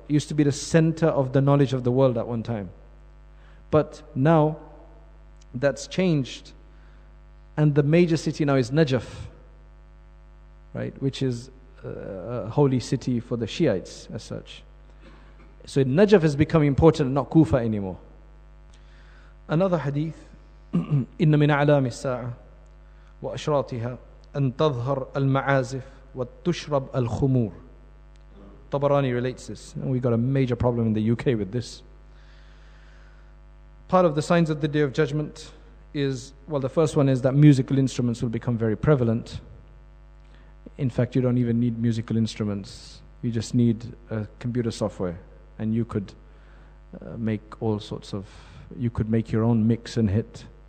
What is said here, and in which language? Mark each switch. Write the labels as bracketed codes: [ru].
[en] It used to be the center of the knowledge of the world at one time. But now that's changed, and the major city now is Najaf, right? Which is a holy city for the Shiites as such. So Najaf has become important, not Kufa anymore. Another hadith, [ar] إِنَّ مِنْ أَعْلَامِ السَّاعَةِ وَأَشْرَاطِهَا أَنْ تَظْهَرَ الْمَعَازِفِ وَتُشْرَبْ الْخُمُورِ. [en] Tabarani relates this, and we got a major problem in the UK with this. Part of the signs of the Day of Judgment is, well, the first one is that musical instruments will become very prevalent. In fact, you don't even need musical instruments. You just need a computer software, and you could make all sorts of, you could make your own mix and hit.